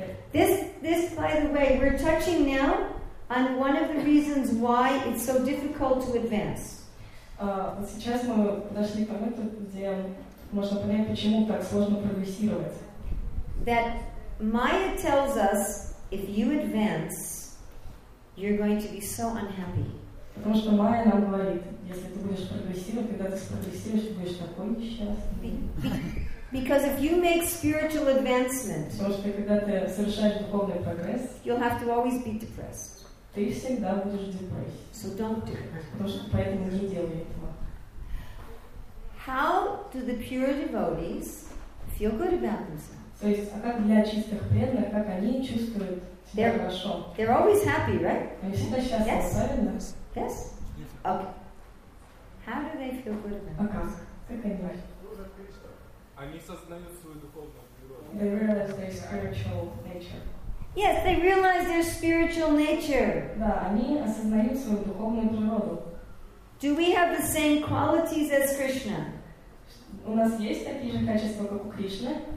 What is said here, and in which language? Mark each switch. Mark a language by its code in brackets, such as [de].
[en] This, by the way, we're touching now on one of the reasons why it's so difficult to advance. [ru] Вот сейчас мы подошли к моменту, где можно понять, почему так сложно прогрессировать. [en] That Maya tells us, if you advance, you're going to be so unhappy. [ru] Потому что Майя нам говорит, если ты будешь прогрессировать, когда ты спрогрессируешь, ты будешь такой несчастный. [en] Because if you make spiritual advancement, [ru] потому что когда ты совершаешь духовный прогресс, [en] you'll have to always be depressed. [ru] Ты всегда будешь в депрессии. [en] So don't do it. [ru] Потому что поэтому не делай этого. [en] How do the pure devotees feel good about themselves? [ru] То есть, а как для чистых преданных, как они чувствуют себя хорошо? [en] They're always happy, right? [ru] Они всегда счастливы, [en] yes? [ru] Правильно? [en] Yes? Okay. How do they feel good about themselves? [ru] Как они Они осознают свою духовную природу. [en] They realize their spiritual nature. Yes, they realize their spiritual nature. [ru] Да, они осознают свою духовную природу. [en] Do we have the same qualities as Krishna? [ru] У нас есть такие же качества, как у Кришны?